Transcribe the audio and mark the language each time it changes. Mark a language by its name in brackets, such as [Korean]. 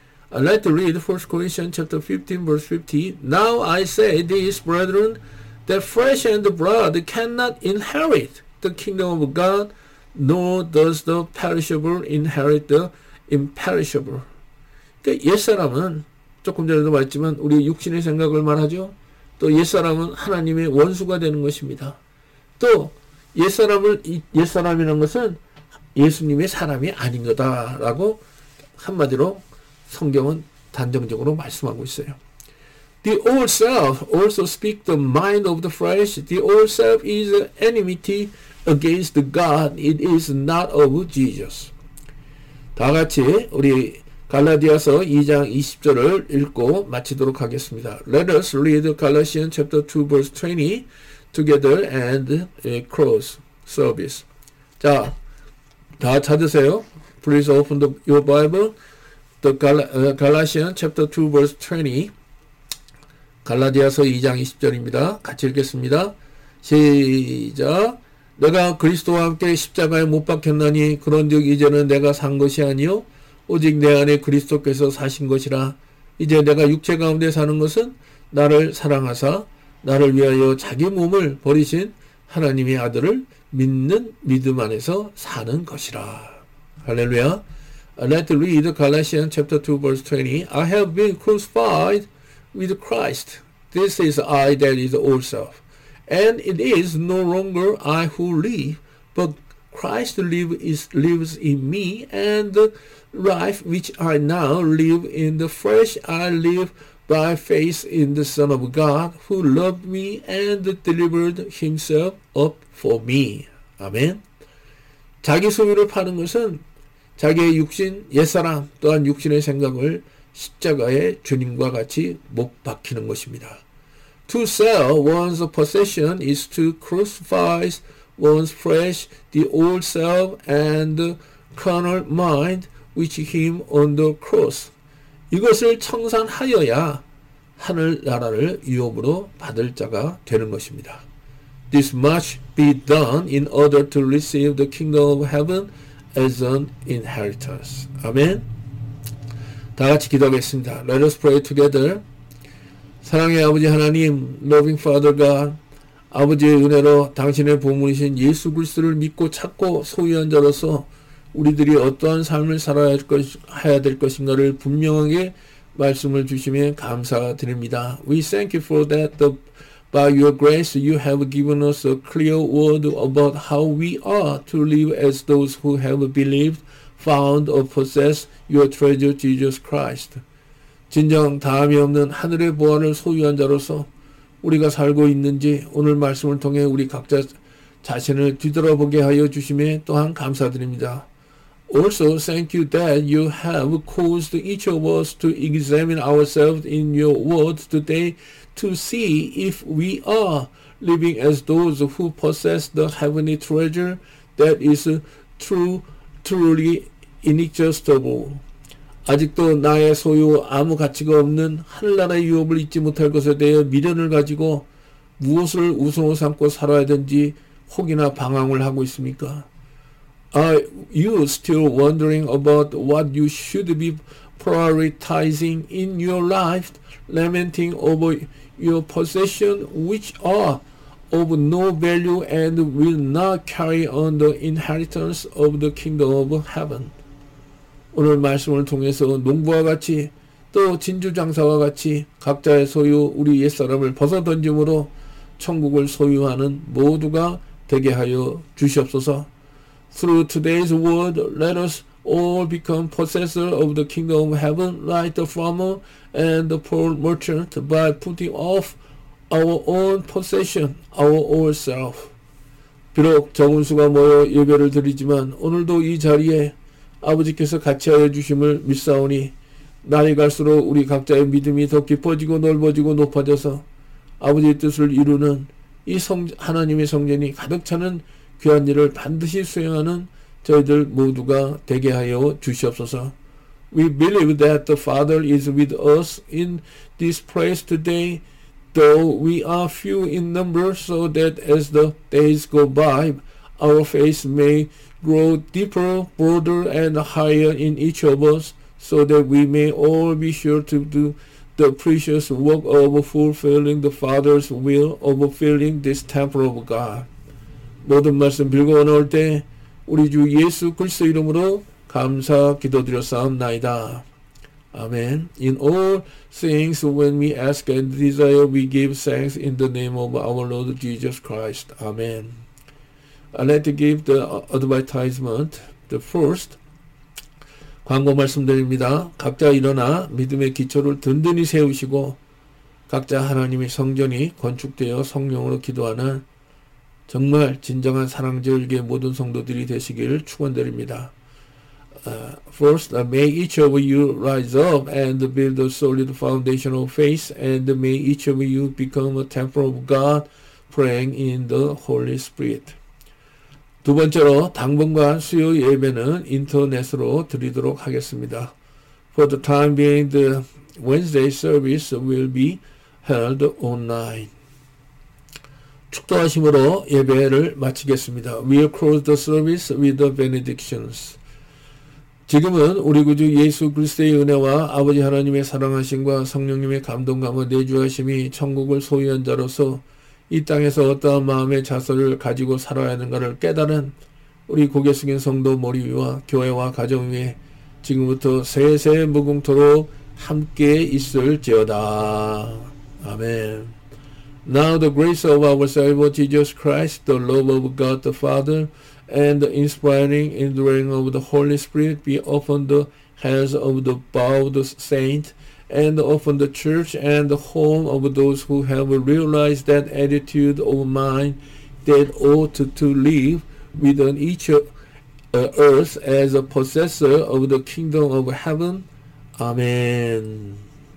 [English] I like to read 1 Corinthians chapter 15 verse 50. Now I say this, brethren, that flesh and blood cannot inherit the kingdom of God, nor does the perishable inherit the imperishable. [Korean] 그러니까 옛사람은 조금 전에도 말했지만 우리 육신의 생각을 말하죠. 또 옛사람은 하나님의 원수가 되는 것입니다. 또 옛사람이라는 것은 예수님의 사람이 아닌 거다라고 한마디로 성경은 단정적으로 말씀하고 있어요. [English] The old self also speaks the mind of the flesh. The old self is an enmity against God. It is not of Jesus. [Korean] 다 같이 우리 갈라디아서 2장 20절을 읽고 마치도록 하겠습니다. [English] Let us read Galatians chapter 2 verse 20 together and close service. [Korean] 자, 다 찾으세요. [English] Please open your Bible. The Galatians chapter 2 verse 20. [Korean] 갈라디아서 2장 20절입니다. 같이 읽겠습니다. 시작. 내가 그리스도와 함께 십자가에 못 박혔나니 그런즉 이제는 내가 산 것이 아니요 오직 내 안에 그리스도께서 사신 것이라. 이제 내가 육체 가운데 사는 것은 나를 사랑하사 나를 위하여 자기 몸을 버리신 하나님의 아들을 믿는 믿음 안에서 사는 것이라. 할렐루야. [English] Let us read Galatians chapter 2 verse 20. I have been crucified with Christ. This is I that is old self. And it is no longer I who live, but Christ lives in me, and the life which I now live in the flesh, I live by faith in the Son of God, who loved me and delivered himself up for me. Amen. [Korean] 자기 소유를 파는 것은 자기의 육신, 옛사람, 또한 육신의 생각을 십자가에 주님과 같이 못 박히는 것입니다. [English] To sell one's possession is to crucify one's flesh, the old self, and the carnal mind which him on the cross. [Korean] 이것을 청산하여야 하늘나라를 유업으로 받을 자가 되는 것입니다. [English] This must be done in order to receive the kingdom of heaven as an inheritance. Amen. [Korean] 다 같이 기도하겠습니다. [English] Let us pray together. [Korean] 사랑의 아버지 하나님, [English] Loving Father God, [Korean] 아버지의 은혜로 당신의 보물이신 예수 그리스도를 믿고 찾고 소유한 자로서 우리들이 어떠한 삶을 살아야 할 것, 해야 될 것인가를 분명하게 말씀을 주시면 감사드립니다. [English] We thank you for that. By your grace, you have given us a clear word about how we are to live as those who have believed, found, or possessed your treasure, Jesus Christ. [Korean] 진정 다함이 없는 하늘의 보안을 소유한 자로서 우리가 살고 있는지 오늘 말씀을 통해 우리 각자 자신을 뒤돌아보게 하여 주심에 또한 감사드립니다. [English] Also, thank you that you have caused each of us to examine ourselves in your word today to see if we are living as those who possess the heavenly treasure that is true, truly inexhaustible. [Korean] 아직도 나의 소유 아무 가치가 없는 하늘나라의 유업을 잊지 못할 것에 대해 미련을 가지고 무엇을 우선으로 삼고 살아야 되는지 혹이나 방황을 하고 있습니까? [English] Are you still wondering about what you should be prioritizing in your life, lamenting over your possession, which are of no value and will not carry on the inheritance of the kingdom of heaven? [Korean] 오늘 말씀을 통해서 농부와 같이 또 진주 장사와 같이 각자의 소유 우리 옛사람을 벗어던짐으로 천국을 소유하는 모두가 되게 하여 주시옵소서. [English] Through today's word, let us all become possessors of the kingdom of heaven, like the farmer and the poor merchant, by putting off our own possession, our old self. [Korean] 비록 적은 수가 모여 예배를 드리지만 오늘도 이 자리에 아버지께서 같이 하여 주심을 믿사오니 날이 갈수록 우리 각자의 믿음이 더 깊어지고 넓어지고 높아져서 아버지의 뜻을 이루는 이 하나님의 성전이 가득 차는 귀한 일을 반드시 수행하는 저희들 모두가 되게 하여 주시옵소서. [English] We believe that the Father is with us in this place today, though we are few in number, so that as the days go by, our faith may grow deeper, broader, and higher in each of us, so that we may all be sure to do the precious work of fulfilling the Father's will, overfilling this temple of God. [Korean] 모든 말씀 빌고 나올 때 우리 주 예수 그리스도 이름으로 감사 기도드렸사옵나이다. 아멘. [English] In all things when we ask and desire, we give thanks in the name of our Lord Jesus Christ. 아멘. I'd like to give the advertisement. The first, [Korean] 광고 말씀드립니다. 각자 일어나 믿음의 기초를 든든히 세우시고 각자 하나님의 성전이 건축되어 성령으로 기도하는 정말 진정한 사랑절개 모든 성도들이 되시기를 축원드립니다. [English] First, may each of you rise up and build a solid foundation of faith, and may each of you become a temple of God, praying in the Holy Spirit. [Korean] 두 번째로, 당분간 수요 예배는 인터넷으로 드리도록 하겠습니다. [English] For the time being, the Wednesday service will be held online. [Korean] 축도하심으로 예배를 마치겠습니다. [English] We'll close the service with the benedictions. [Korean] 지금은 우리 구주 예수 그리스도의 은혜와 아버지 하나님의 사랑하심과 성령님의 감동감과 내주하심이 천국을 소유한 자로서 이 땅에서 어떠한 마음의 자세를 가지고 살아야 하는가를 깨달은 우리 고개 숙인 성도 머리 위와 교회와 가정 위에 지금부터 세세 무궁토록 함께 있을지어다. [English] Amen. Now the grace of our Savior Jesus Christ, the love of God the Father, and the inspiring indwelling of the Holy Spirit be upon the heads of the bowed saint, and upon the church and the home of those who have realized that attitude of mind that ought to live within each earth as a possessor of the kingdom of heaven. Amen.